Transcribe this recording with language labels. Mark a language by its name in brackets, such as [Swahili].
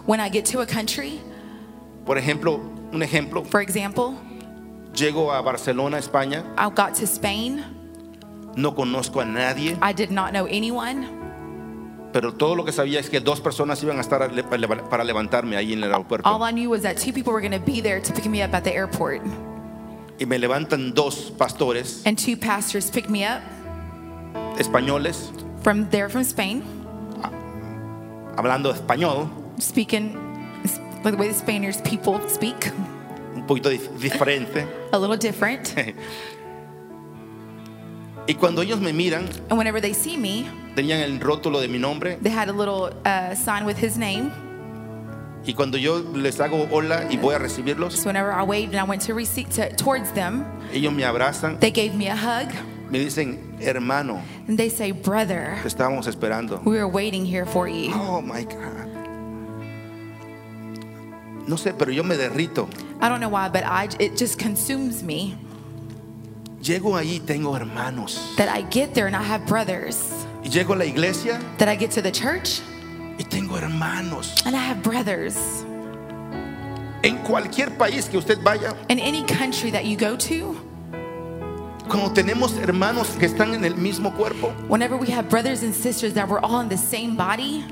[English] When I get to a country. [Spanish] Por ejemplo, un ejemplo. [English] For example. [Spanish] Llego a Barcelona, España. [English] I got to Spain. [Spanish] No conozco a nadie. [English] I did not know anyone. [Spanish] Pero todo lo que sabía es que dos personas iban a estar para levantarme ahí en el aeropuerto. [English] All I knew was that two people were going to be there to pick me up at the airport. [Spanish] Y me levantan dos pastores. [English] And two pastors pick me up. [Spanish] Españoles. [English] From there, from Spain. [Spanish] Hablando español. [English] Speaking like the way the Spaniards people speak. [Spanish] Un poquito diferente. [English] A little different. [Spanish] Y cuando ellos me miran, [English] and whenever they see me, [Spanish] tenían el rótulo de mi nombre. [English] They had a little sign with his name. [Spanish] Y cuando yo les hago hola y voy a recibirlos, [English] so whenever I waved and I went to receive towards them, [Spanish] ellos me abrazan. [English] They gave me a hug. [Spanish] Me dicen, hermano. [English] And they say, brother. [Spanish] Te estábamos esperando. [English] We were waiting here for you. Oh my God. [Spanish] No sé, pero yo me derrito. [English] I don't know why, but it just consumes me. [Spanish] Llego ahí, tengo hermanos. [English] That I get there and I have brothers. [Spanish] Y llego a la iglesia. [English] That I get to the church. [Spanish] Y tengo hermanos. [English] And I have brothers. [Spanish] En cualquier país que usted vaya. [English] In any country that you go to. [Spanish] Cuando tenemos hermanos que están en el mismo cuerpo. [English] Whenever we have brothers and sisters that we're all in the same body.